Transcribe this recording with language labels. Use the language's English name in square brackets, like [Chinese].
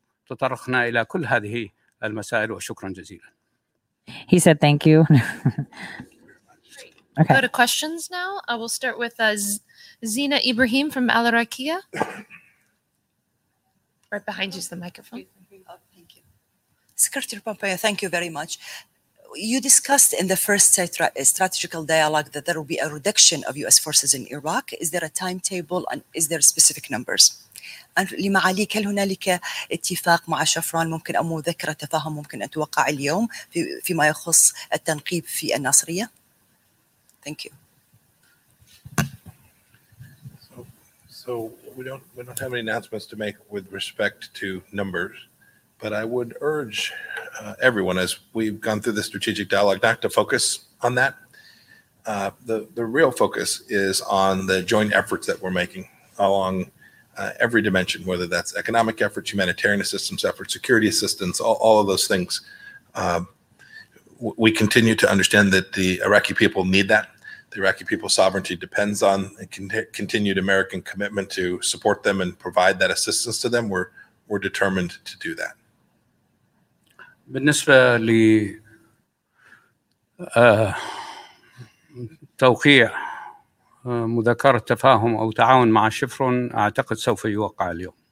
[Arabic] تطرقنا إلى كل هذه المسائل وشكرا جزيلا. [English] He said thank you. Okay. Go to questions now. I will start with Zina Ibrahim from Al Arakia. Right behind you is the microphone. Thank you. Secretary Pompeo, thank you very much. You discussed in the first strategical dialogue that there will be a reduction of U.S. forces in Iraq. Is there a timetable and is there specific numbers? [Arabic] لمعاليك هل هنالك اتفاق مع شفران ممكن أو مذكرة تفاهم ممكن أن توقع اليوم فيما يخص التنقيب في الناصرية؟ [English] Thank you. So we don't have any announcements to make with respect to numbers, but I would urge everyone as we've gone through the strategic dialogue not to focus on that. The real focus is on the joint efforts that we're making along every dimension, whether that's economic efforts, humanitarian assistance efforts, security assistance, all of those things. We continue to understand that the Iraqi people need that. The Iraqi people's sovereignty depends on a continued American commitment to support them and provide that assistance to them. We're determined to do that. [Arabic] بالنسبة لتوقيع مذكرة تفاهم أو تعاون مع شفرون أعتقد سوف يوقع اليوم.